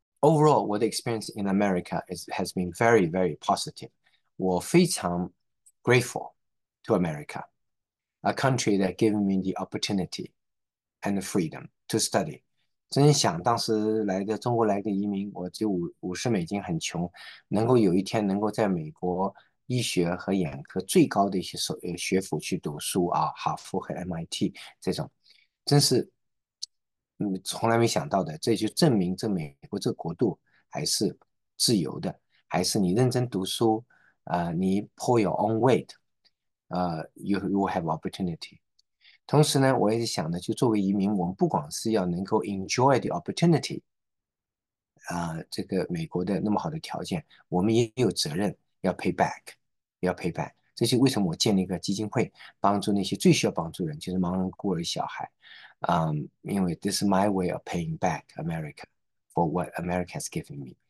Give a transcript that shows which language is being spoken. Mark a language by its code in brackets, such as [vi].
[en] Overall, what the experience in America is has been very, very positive. [zh] 我非常 [en] grateful to America, a country that gave me the opportunity and the freedom to study. [zh] 真想当时来的中国来的移民，我就50美金，很穷，能够有一天能够在美国医学和眼科最高的一些学府去读书啊，哈佛和 MIT 这种，真是。从来没想到的，这就证明这美国这个国度还是自由的，还是你认真读书，你 [en] pull your own weight， you have opportunity。 [zh] 同时呢，我也想呢，就作为移民，我们不光是要能够 [en] enjoy the opportunity， [zh] 这个美国的那么好的条件，我们也有责任要 pay back，要 pay back。这就为什么我建立一个基金会，帮助那些最需要帮助的人，就是盲人、孤儿、小孩。因为 [en] this is my way of paying back America for what America has given me。